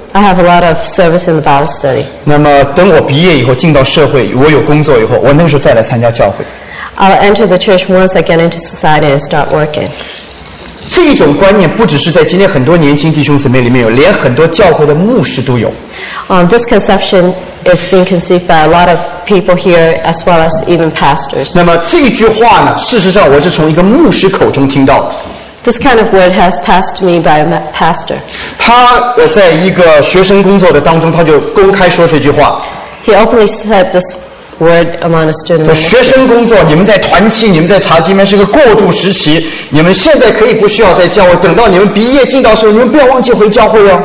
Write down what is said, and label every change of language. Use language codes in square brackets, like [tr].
[en] I have a lot of service in the Bible study. [zh] 那么等我毕业以后进到社会，我有工作以后，我那时候再来参加教会。 [en] I'll enter the church once I get into society and start working. [zh] 这种观念不只是在今天很多年轻弟兄姊妹里面有，连很多教会的牧师都有。 [en] This conception is being conceived by a lot of people here as well as even pastors. [zh] 那么这句话呢，事实上我是从一个牧师口中听到。 [en] This kind of word has passed me by a pastor. [zh] 他在一个学生工作的当中，他就公开说这句话。 [en] He openly said this word among a student. [zh] 说学生工作，你们在团契，你们在查经班是个过渡时期，你们现在可以不需要在教会，等到你们毕业进到社会，你们不要忘记回教会哦。